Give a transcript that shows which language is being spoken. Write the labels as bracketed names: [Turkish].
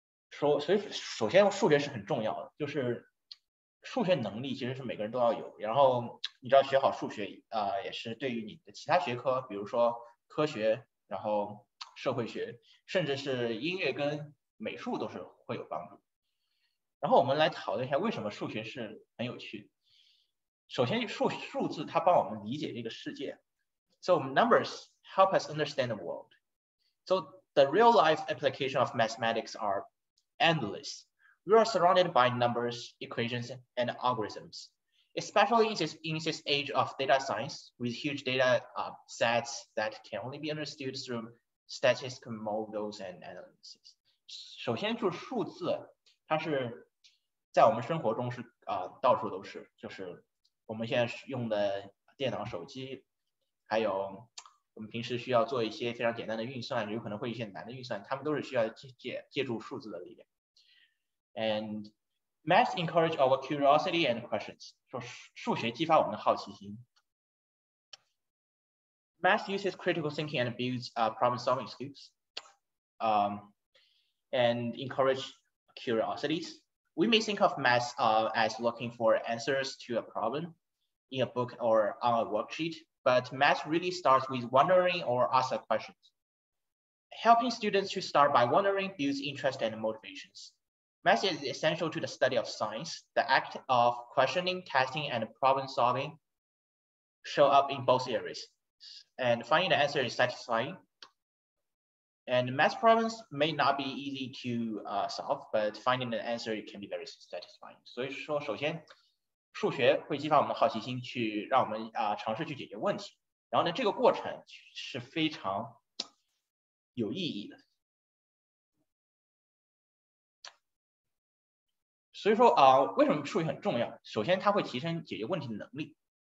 [Chinese] 所以首先数学是很重要的，就是数学能力其实是每个人都要有，然后你知道学好数学也是对于你的其他学科，比如说科学，然后社会学，甚至是音乐跟美术都是会有帮助。然后我们来讨论一下为什么数学是很有趣。首先 数字它帮我们理解这个世界。 [English] So numbers help us understand the world. So the real life application of mathematics are endless. We are surrounded by numbers, equations, and algorithms. Especially in this age of data science, with huge data sets that can only be understood throughstatistical models and analysis. [Chinese] 首先就是数字，它是在我们生活中是到处都是，就是我们现在用的电脑、手机，还有我们平时需要做一些非常简单的运算，有可能会一些难的运算，他们都是需要借助数字的力量。 [English] And math encourage our curiosity and questions. [Chinese] 说数学激发我们的好奇心。 [English] Math uses critical thinking and builds problem-solving skills, and encourage curiosities. We may think of math as looking for answers to a problem in a book or on a worksheet, but math really starts with wondering or asking questions. Helping students to start by wondering builds interest and motivations. Math is essential to the study of science. The act of questioning, testing, and problem-solving show up in both areas. And finding the answer is satisfying. And math problems may not be easy to solve, but finding the answer can be very satisfying. [Chinese] 所以说，首先，数学会激发我们的好奇心，去让我们尝试去解决问题。然后呢，这个过程是非常有意义的。所以说为什么数学很重要？首先，它会提升解决问题的能力。